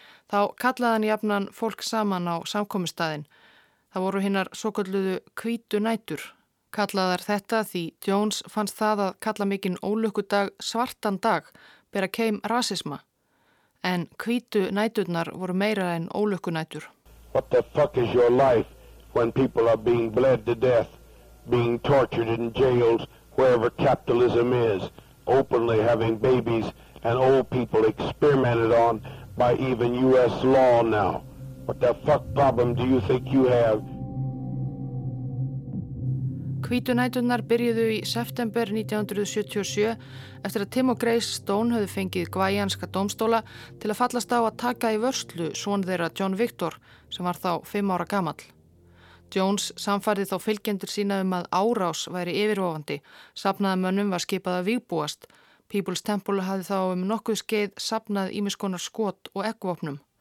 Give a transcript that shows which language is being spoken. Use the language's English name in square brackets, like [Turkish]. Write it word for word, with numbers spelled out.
[Icelandic] Þá kallaði hann jafnan fólk saman á samkomustæðin. Það voru hinnar svo kalluðu hvítu nætur. Kallaðar þetta því Jones fannst það að kalla mikinn ólukkudag svartan dag, bera keim rasisma. En hvítu næturnar voru meira en ólukkunætur. [English] What the fuck is your life when people are being bled to death, being tortured in jails, wherever capitalism is, openly having babies and old people experimented on by even U S law now? What the fuck problem do you think you have? [Icelandic] Hvítunæturnar byrjuðu í september nítján hundruð sjötíu og sjö eftir að Tim og Grace Stone höfðu fengið gvæjanska dómstóla til að fallast á að taka í vörslu son þeirra John Victor sem var þá fimm ára gamall. Jones samfærði þá fylgjendur sína um að árás væri yfirvofandi, safnaðamönnum var skipað að vígbúast, People's Temple hafði þá um nokkuð skeið safnað ýmiskonar skot og eggvopnum.